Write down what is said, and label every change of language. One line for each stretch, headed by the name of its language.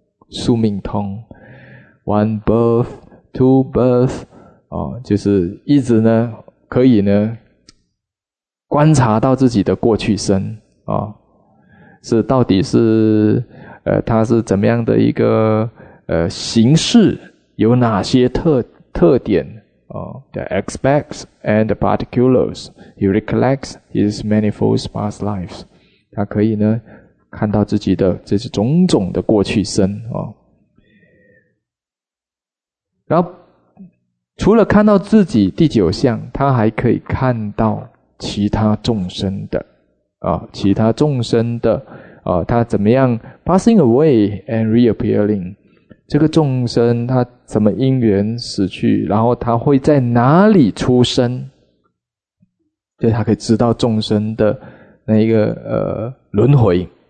Chinese: 宿命通 ，
English: one birth, two birth，
Chinese: 啊、就是一直呢，可以呢，观察到自己的过去生啊、是到底是。他是怎么样的一个形式，有哪些特点、
English: The aspects and the particulars. He recollects his manifold past lives.
Chinese: 他可以呢看到自己的这些种种的过去生、然后除了看到自己第九相，他还可以看到其他众生的、其他众生的他怎么样
English: passing away and reappearing，
Chinese: 这个众生他怎么因缘死去，然后他会在哪里出生，就他可以知道众生的那一个轮回、